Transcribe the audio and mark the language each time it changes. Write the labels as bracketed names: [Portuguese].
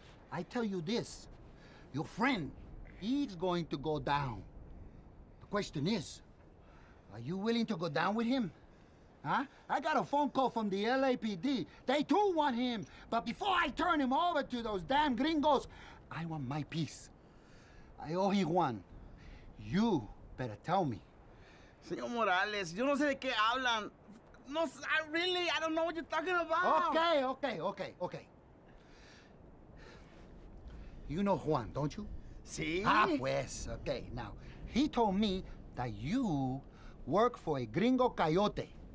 [English] I tell you this, your friend, he's going to go down. The question is, are you willing to go down with him? Huh? I got a phone call from the LAPD. They too want him. But before I turn him over to those damn gringos, I want my peace. I owe him one. You better tell me. [Spanish] Señor Morales, yo no sé de qué hablan. [English] No, I don't know what you're talking about. Okay. You know Juan, don't you? [Spanish] Sí. Ah, pues. [English] Okay, now, he told me that you work for a gringo coyote.